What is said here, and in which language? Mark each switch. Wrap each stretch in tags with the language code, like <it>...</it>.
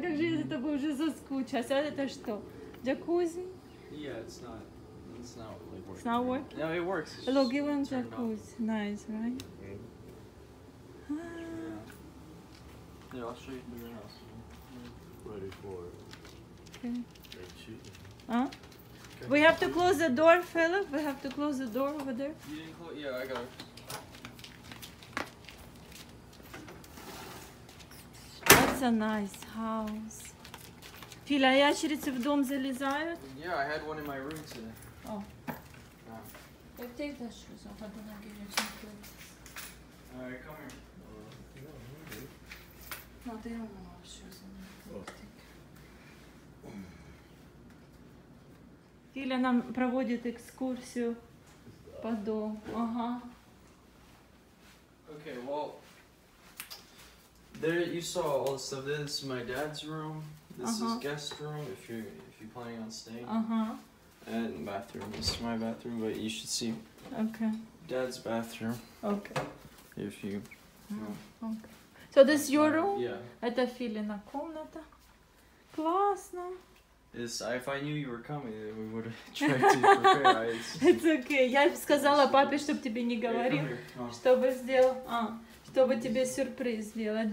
<ru>Как же я за тобой уже соскучилась? А это что? Джакузи?</ru> <en>Yeah, it's not. It's not really working. It's not working? No, it works. It's look, you want jacuzzi. Nice, right? Yeah. Yeah, I'll show you the house. Ready for it. Okay. Huh? We have to close the door, Philip. We have to close the door over there. You didn't close? Yeah, I got it. That's a nice house.</en> <ru>Филя, ящерицы в дом залезают?</ru> <en>Yeah, I had one in my room today. Oh. Yeah. Take the shoes off. I don't want to give you some clothes. All right, come here. No, they don't want to have shoes on.</en> <ru>Филя нам проводит экскурсию по дому. Ага.</ru> <en>Okay, well, there you saw all the stuff. This is my dad's room. This is guest room. If you're planning on staying. And bathroom. This is my bathroom, but you should see. Okay. Dad's bathroom. Okay. If you. Okay. So this is your room? Yeah.</en> <ru>Это Филина комната. Классно.</ru> <en>If I knew you were coming, we would try to prepare. It's okay.</en> <ru>Я сказала папе, чтобы тебе не говорил, чтобы сделал, чтобы тебе сюрприз сделать.</ru>